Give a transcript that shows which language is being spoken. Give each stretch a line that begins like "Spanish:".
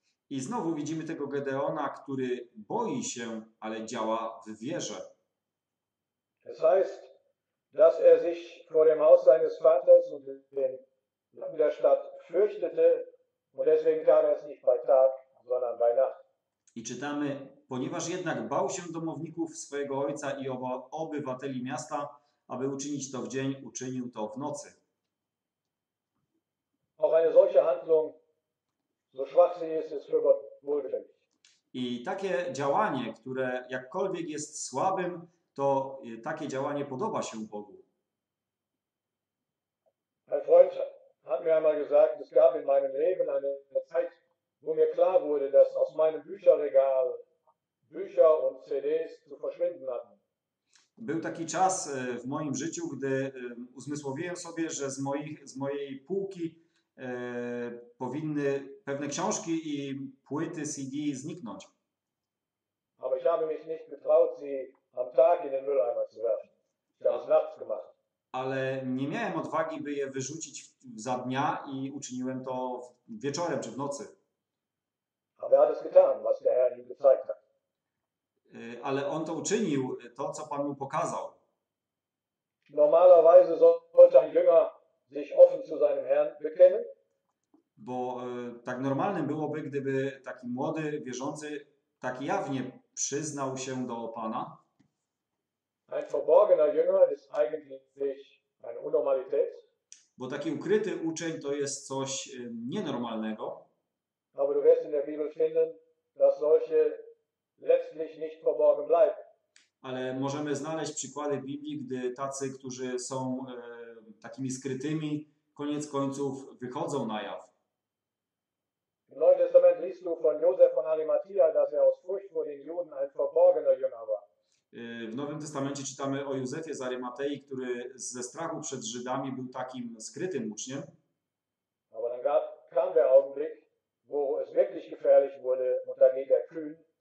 Polish: I znowu widzimy tego Gedeona, który boi się, ale działa w wierze.
German: Das heißt, dass er sich vor dem Haus seines Vaters und dem Land der Stadt fürchtete. Und deswegen kam es nicht bei Tag, sondern bei Nacht.
Polish: I czytamy, ponieważ jednak bał się domowników swojego ojca i obywateli miasta, aby uczynić to w dzień, uczynił to w nocy.
German: Auch eine solche Handlung, so schwach sie ist, ist für Gott wohlgefällig.
Polish: I takie działanie, które jakkolwiek jest słabym, to takie działanie podoba się Bogu.
German: Mein Freund hat mir einmal gesagt, es gab in meinem Leben eine Zeit, wo mir klar wurde, dass aus meinem Bücherregal Bücher und CDs zu verschwinden hatten.
Polish: Był taki czas w moim życiu, gdy uzmysłowiłem sobie, że z mojej półki powinny pewne książki i płyty CD zniknąć.
German: Aber ich habe mich nicht getraut, sie am Tag in den Mülleimer zu werfen. Das nachts gemacht.
Polish: Ale nie miałem odwagi, by je wyrzucić za dnia i uczyniłem to wieczorem czy w nocy.
German: Aber er hat es getan, was der Herr ihm gezeigt hat.
Polish: Ale on to uczynił, to co Pan mu pokazał.
German: Normalerweise sollte ein Jünger sich offen zu seinem Herrn bekennen.
Polish: Bo tak normalnym byłoby, gdyby taki młody wierzący tak jawnie przyznał się do Pana.
German: Ein verborgener Jünger ist eigentlich eine Unnormalität.
Polish: Bo taki ukryty uczeń to jest coś nienormalnego.
German: Aber du wirst in der Bibel finden, dass solche letztlich nicht verborgen bleiben.
Polish: Ale możemy znaleźć przykłady w Biblii, gdy tacy, którzy są takimi skrytymi, koniec końców wychodzą na jaw.
German: Im Neuen Testament liest du von Josef von Arimathea, dass er aus Furcht vor den Juden ein verborgener Jünger war.
Polish: W Nowym Testamencie czytamy o Józefie z Arymatei, który ze strachu przed Żydami był takim skrytym uczniem.
German: Aber dann kam der Augenblick, wo es wirklich gefährlich wurde und da geht er kühn.